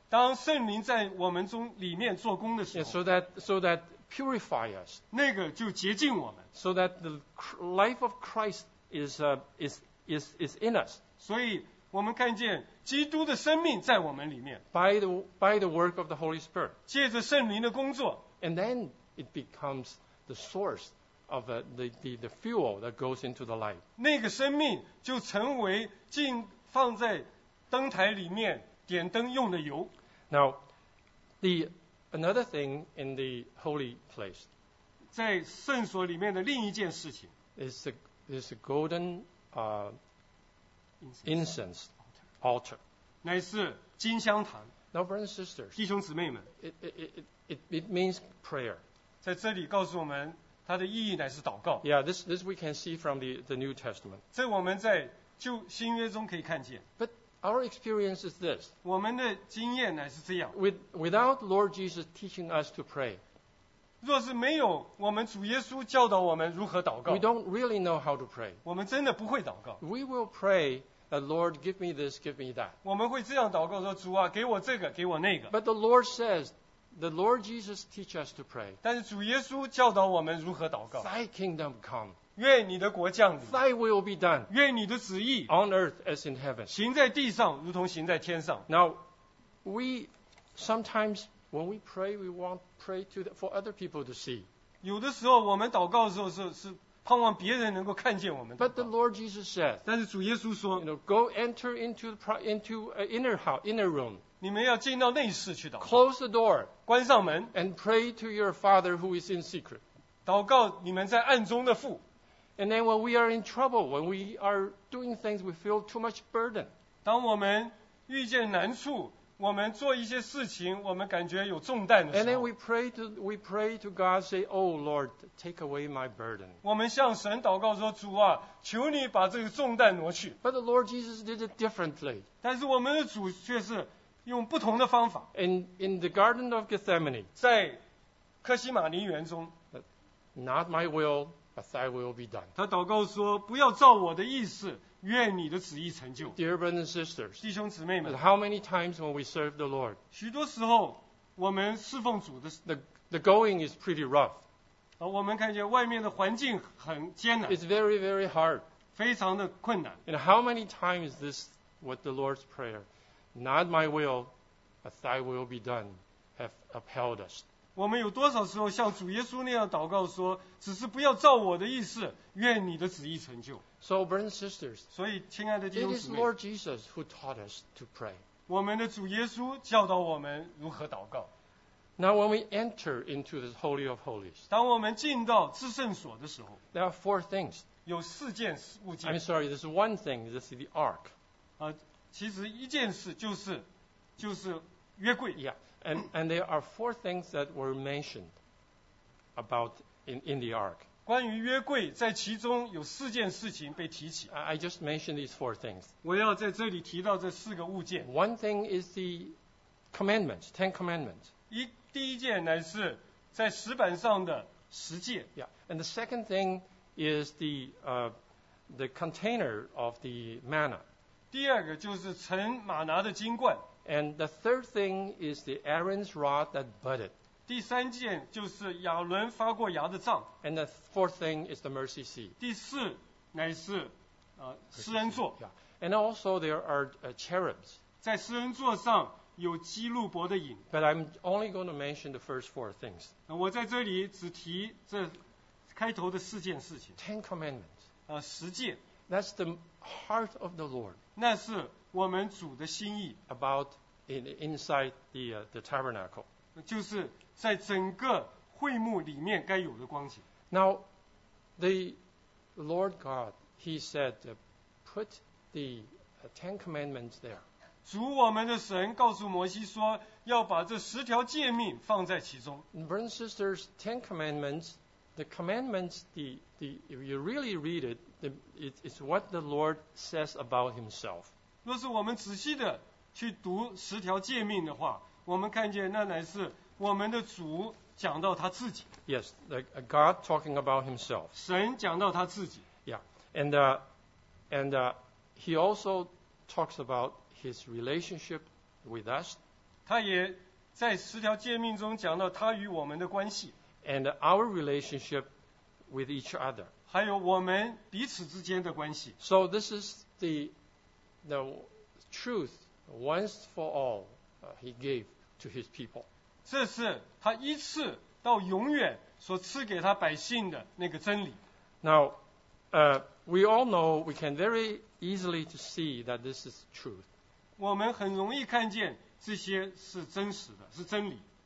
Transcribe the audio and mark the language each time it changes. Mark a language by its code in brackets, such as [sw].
[zh] 当圣灵在我们中里面做工的时候 [en] yeah, so that purify us, [zh] 那个就洁净我们。 [en] So that the life of Christ is in us. [zh] 所以我们看见基督的生命在我们里面。 [en] By the work of the Holy Spirit, [zh] 借着圣灵的工作。 [en] And then it becomes the source. Of the fuel that goes into the light. [zh] 那个生命就成为进放在灯台里面点灯用的油。 [en] Now, the another thing in the holy place. [zh] 在圣所里面的另一件事情 [en] is the golden incense altar. [zh] 乃是金香坛。 [en] Now, brothers and sisters, [zh] 弟兄姊妹们 [en] it means prayer. [zh] 在这里告诉我们。它的意义乃是祷告。 [en] Yeah, this we can see from the New Testament. [zh] 这我们在旧新约中可以看见。 [en] But our experience is this. [zh] 我们的经验乃是这样。 [en] Without Lord Jesus teaching us to pray. [zh] 若是没有我们主耶稣教导我们如何祷告。 [en] We don't really know how to pray. [zh] 我们真的不会祷告。 [en] We will pray, Lord, give me this, give me that. [zh] 我们会这样祷告说，主啊，给我这个，给我那个。 [en] But the Lord says,The Lord Jesus teach us to pray. [zh] 但是主耶稣教导我们如何祷告。 [en] Thy kingdom come. [zh] 愿你的国降临。 [en] Thy will be done. [zh] 愿你的旨意。 [en] On earth as in heaven. [zh] 行在地上如同行在天上。 [en] Now, we sometimes when we pray, we want pray to the, for other people to see. [zh] 有的时候我们祷告的时候是盼望别人能够看见我们。 [en] But the Lord Jesus said. [zh] 但是主耶稣说 [en] you know, go enter into an inner house, inner room. [zh] 你们要进到内室去祷告。 [en] Close the door, [zh] 关上门。 [en] And pray to your Father who is in secret. [zh] 祷告你们在暗中的父。 [en] And then when we are in trouble, when we are doing things, we feel too much burden. [zh] 当我们遇见难处，我们做一些事情，我们感觉有重担的时候。 [en] And then we pray to God, say, Oh Lord, take away my burden. [zh] 我们向神祷告说，主啊，求你把这个重担挪去。 [en] But the Lord Jesus did it differently. [zh] 但是我们的主却是。用不同的方法。 [en] In the Garden of Gethsemane, [zh] 在科西马尼园中 [en] ，Not my will, but Thy will be done. [zh] 他祷告说：“不要照我的意思，愿你的旨意成就。” [en] Dear brothers and sisters, [zh] 弟兄姊妹们 [en] ，How many times when we serve the Lord? [zh] 许多时候我们侍奉主的 [en] the going is pretty rough. [zh] 我们看见外面的环境很艰难。 [en] It's very very hard. [zh] 非常的困难。 [en] And how many times is this what the Lord's prayer? Not my will, but Thy will be done, have upheld us. [zh] 我们有多少时候像主耶稣那样祷告说，只是不要照我的意思，愿你的旨意成就。 [en] So, brothers and sisters, [zh] 所以亲爱的弟兄姊妹 [en] it is Lord Jesus who taught us to pray. [zh] 我们的主耶稣教导我们如何祷告。 [en] Now, when we enter into the Holy of Holies, [zh] 当我们进到至圣所的时候 [en] there are four things. [zh] 有四件物件 [en] I'm sorry, there's one thing, this is the ark. [zh] 其实一件事就是约柜。 [en] Yeah, and there are four things that were mentioned about in the ark. [zh] 关于约柜，在其中有四件事情被提起。 [en] I just mentioned these four things. [zh] 我要在这里提到这四个物件。 [en] One thing is the commandments, Ten Commandments. [zh] 第一件乃是在石板上的十诫。 [en] Yeah, and the second thing is the container of the manna. [zh] 第二个就是盛玛拿的金罐。 [en] And the third thing is the Aaron's rod that budded. [zh] 第三件就是亚伦发过芽的杖。 [en] And the fourth thing is the mercy seat. [zh] 第四乃是施恩座。 Yeah. [en] And also there are cherubs. [zh] 在施恩座上有基路伯的影。 [en] But I'm only going to mention the first four things. [zh] 我在这里只提这开头的四件事情。 [en] Ten commandments. [zh] 十诫。 [en] That's the heart of the Lord. [zh] 那是我们主的心意。 [en] About inside the tabernacle. [zh] 就是在整个会幕里面该有的光景。 [en] Now, the Lord God, He said, put the Ten Commandments there. [zh] 主我们的神告诉摩西说，要把这十条诫命放在其中。 [en] Brothers and sisters, Ten Commandments. The commandments, the if you really read it, it's what the Lord says about Himself. [zh] 若是我们仔细的去读十条诫命的话，我们看见那乃是我们的主讲到他自己。 [en] Yes, like God talking about Himself. [zh] 神讲到他自己。 [en] Yeah, and He also talks about his relationship with us. [zh] 他也在十条诫命中讲到他与我们的关系。 [en] And our relationship with each other. [zh] 还有我们彼此之间的关系。 [en] So this is the truth once for all he gave to his people. [zh] 这是他一次到永远所赐给他百姓的那个真理。 [en] Now, we all know, we can very easily to see that this is truth. [zh] 我们很容易看见这些是真实的，是真理。